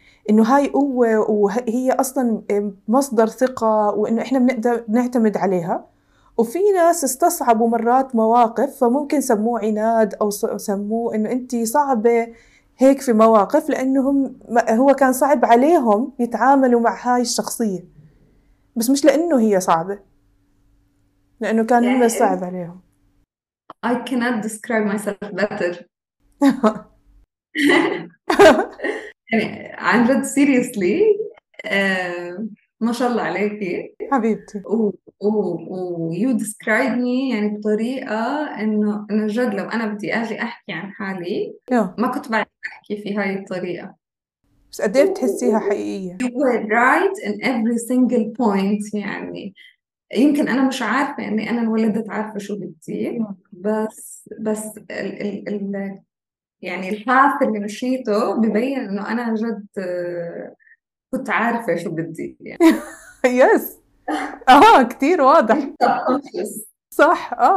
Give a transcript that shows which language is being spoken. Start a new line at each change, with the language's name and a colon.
Arabic: إنه هاي قوة وهي أصلاً مصدر ثقة وإنه إحنا بنقدر نعتمد عليها، وفي ناس استصعبوا مرات مواقف فممكن سموه عناد أو سموه إنه أنتي صعبة هيك في مواقف، لأنهم هو كان صعب عليهم يتعاملوا مع هاي الشخصية، بس مش لأنه هي صعبة، لأنه كان هم يعني صعب عليهم.
English: I cannot describe myself better.
Arabic: يعني عن جد
English: seriously
Arabic: ما شاء الله عليك حبيبتي و
English: you describe me
Arabic: يعني بطريقة إنه جد لو أنا بدي أجي أحكي عن حالي ما كنت بعرف أحكي في هاي الطريقة. بس قد ايه بتحسيها حقيقية؟
English: You were right in every single point.
Arabic: يعني يمكن أنا مش عارفة إني أنا انولدت عارفة شو بدي، بس ال ال ال يعني الحاف اللي مشيته ببين إنه أنا جد كنت عارفة شو بدي. يعني يس كتير واضح صح.